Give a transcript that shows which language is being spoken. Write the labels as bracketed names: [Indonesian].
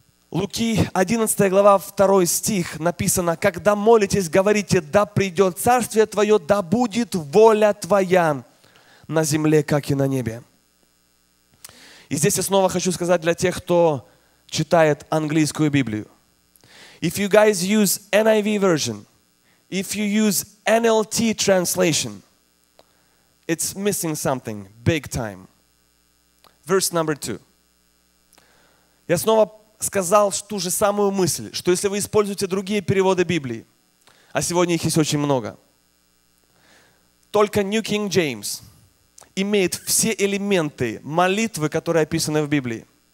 [Russian] Луки 11 глава 2 стих написано: «Когда молитесь, говорите: да придет Царствие Твое, да будет воля Твоя на земле, как и на небе». И здесь я снова хочу сказать для тех, кто читает английскую Библию. [English] If you guys use NIV version, if you use NLT translation, it's missing something, big time. Verse number two. [Russian] Я снова сказал ту же самую мысль, что если вы используете другие переводы Библии, а сегодня их есть очень много, только New King James имеет все элементы молитвы, которые описаны в Библии.